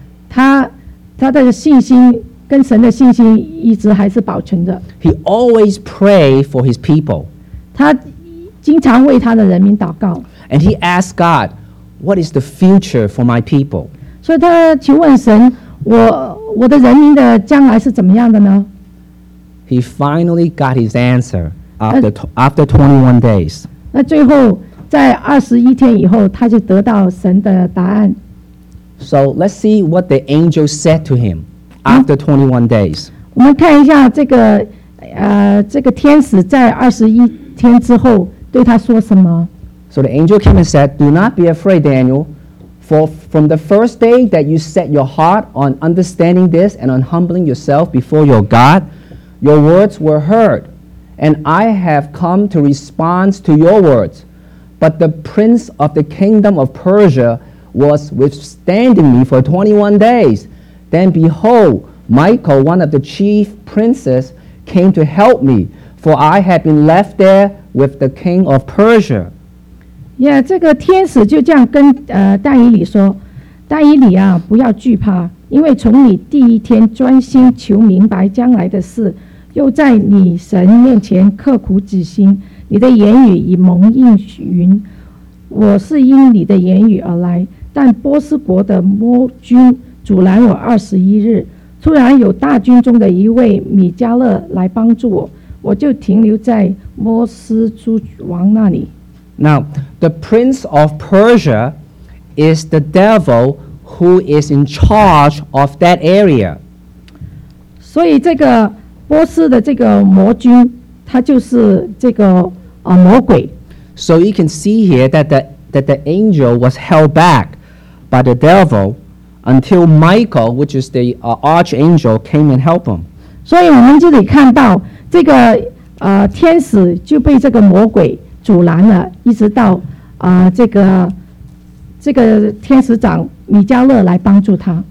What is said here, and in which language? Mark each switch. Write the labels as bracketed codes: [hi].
[zh] 他的信心跟神的信心一直还是保存着。 [en] He always prayed for his people. [zh] 他经常为他的人民祷告。 [en] And he asked God. What is the future for my people? [zh] 所以他求问神，我的人民的将来是怎么样的呢？ [en] He finally got his answer after 21 days. [zh] 那最后在21天以后，他就得到神的答案。 [en] So let's see what the angel said to him after 21 days. [zh] 我们看一下这个天使在21天之后对他说什么。 [en] So the angel came and said, Do not be afraid, Daniel, for from the first day that you set your heart on understanding this and on humbling yourself before your God, your words were heard, and I have come to respond to your words. But the prince of the kingdom of Persia was withstanding me for 21 days. Then behold, Michael, one of the chief princes, came to help me, for I had been left there with the king of Persia. [zh] Yeah, 这个天使就这样跟大以理说大以理啊不要惧怕因为从你第一天专心求明白将来的事又在你神面前刻苦己心你的言语已蒙应允我是因你的言语而来但波斯国的摩军阻拦我21日突然有大军中的一位米迦勒来帮助我我就停留在摩斯诸王那里 [en] Now, the prince of Persia is the devil who is in charge of that area. [zh] 所以这个波斯的这个魔君他就是这个魔鬼。 [en] So you can see here that the angel was held back by the devil until Michael, which is the archangel, came and helped him. [zh] 所以我们这里看到这个天使就被这个魔鬼阻拦了，一直到这个天使长米迦勒来帮助他。